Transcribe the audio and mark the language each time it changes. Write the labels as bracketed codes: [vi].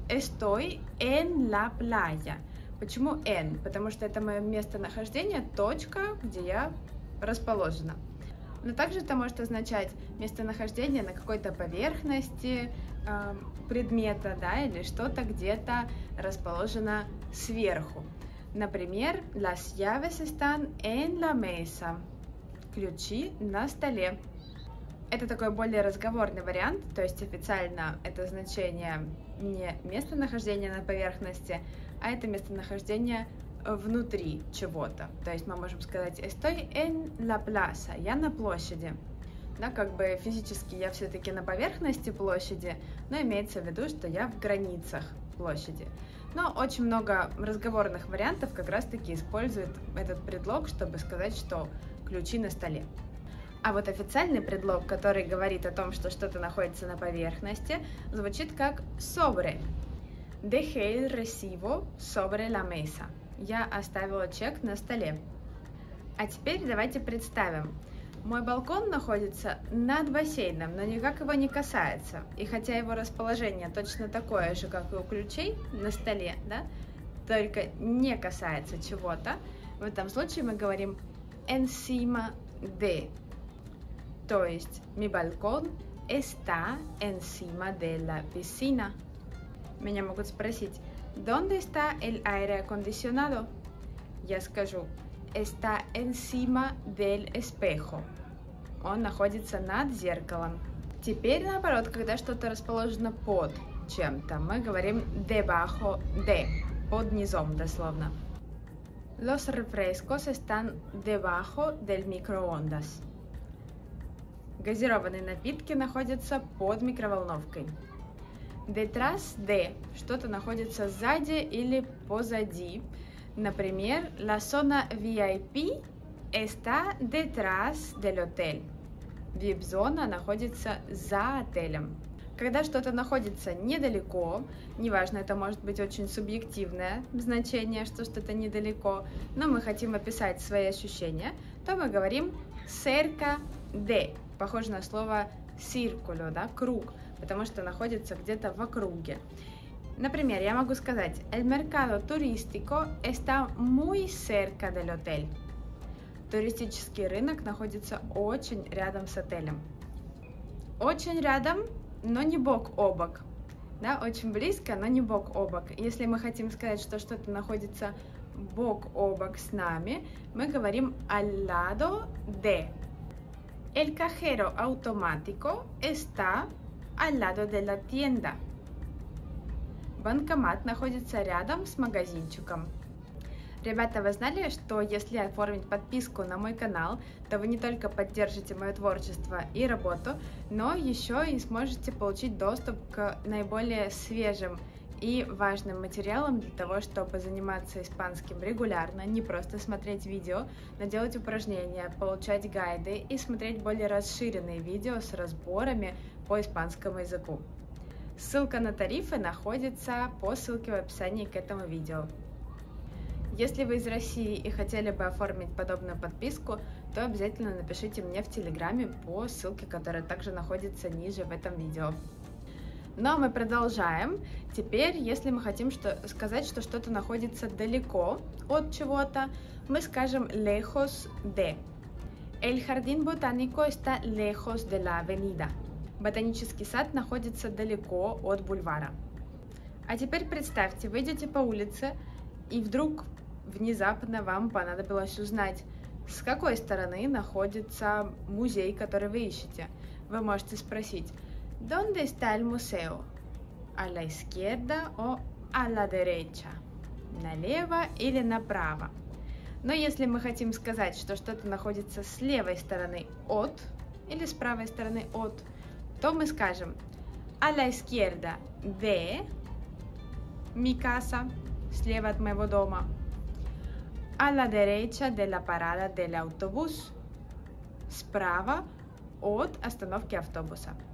[es] Estoy en la playa. [ru] Почему en? Потому что это мое местонахождение, точка, где я расположена. Но также это может означать местонахождение на какой-то поверхности предмета, да, или что-то где-то расположено сверху. [es] Например, las llaves están en la mesa. [ru] Ключи на столе. Это такой более разговорный вариант, то есть официально это значение не местонахождение на поверхности, а это местонахождение внутри чего-то. То есть мы можем сказать [es] «estoy en la plaza», [ru] «я на площади». Да, как бы физически я все-таки на поверхности площади, но имеется в виду, что я в границах площади. Но очень много разговорных вариантов как раз-таки используют этот предлог, чтобы сказать, что ключи на столе. А вот официальный предлог, который говорит о том, что что-то находится на поверхности, звучит как sobre. [es] Dejé el recibo sobre la mesa. [ru] Я оставила чек на столе. А теперь давайте представим. Мой балкон находится над бассейном, но никак его не касается. И хотя его расположение точно такое же, как и у ключей на столе, да, только не касается чего-то, в этом случае мы говорим encima de. [es] То есть, mi balcón está encima de la piscina. [ru] Меня могут спросить, [es] ¿dónde está el aire acondicionado? [ru] Я скажу, [es] está encima del espejo. [ru] Он находится над зеркалом. Теперь наоборот, когда что-то расположено под чем-то, мы говорим debajo de, под низом дословно. [es] Los refrescos están debajo del microondas. [ru] Газированные напитки находятся под микроволновкой. Detrás de, что-то находится сзади или позади. [es] Например, la zona VIP está detrás del hotel. [ru] VIP-зона находится за отелем. Когда что-то находится недалеко, неважно, это может быть очень субъективное значение, что что-то недалеко, но мы хотим описать свои ощущения, то мы говорим cerca de, похоже на слово círculo, да, круг, потому что находится где-то в округе. Например, я могу сказать, [es] el mercado turístico está muy cerca del hotel. [ru] Туристический рынок находится очень рядом с отелем. Очень рядом, но не бок о бок. Да, очень близко, но не бок о бок. Если мы хотим сказать, что что-то находится бок о бок с нами, мы говорим al lado de. [es] El cajero automático está al lado de la tienda. [ru] Банкомат находится рядом с магазинчиком. Ребята, вы знали, что если оформить подписку на мой канал, то вы не только поддержите мое творчество и работу, но еще и сможете получить доступ к наиболее свежим и важным материалам для того, чтобы заниматься испанским регулярно, не просто смотреть видео, но делать упражнения, получать гайды и смотреть более расширенные видео с разборами по испанскому языку. Ссылка на тарифы находится по ссылке в описании к этому видео. Если вы из России и хотели бы оформить подобную подписку, то обязательно напишите мне в Телеграме по ссылке, которая также находится ниже в этом видео. Но мы продолжаем. Теперь, если мы хотим сказать, что что-то находится далеко от чего-то, мы скажем lejos de. [es] El jardín botánico está lejos de la avenida. [ru] Ботанический сад находится далеко от бульвара. А теперь представьте, вы идете по улице, и вдруг внезапно вам понадобилось узнать, с какой стороны находится музей, который вы ищете. Вы можете спросить, [es] ¿dónde está el museo? ¿A la izquierda o a la derecha? [ru] Налево или направо? Но если мы хотим сказать, что что-то находится с левой стороны от, или с правой стороны от, то мы скажем [es] «a la izquierda de mi casa», [ru] слева от моего дома, [es] «a la derecha de la parada del autobús», [ru] справа от остановки автобуса.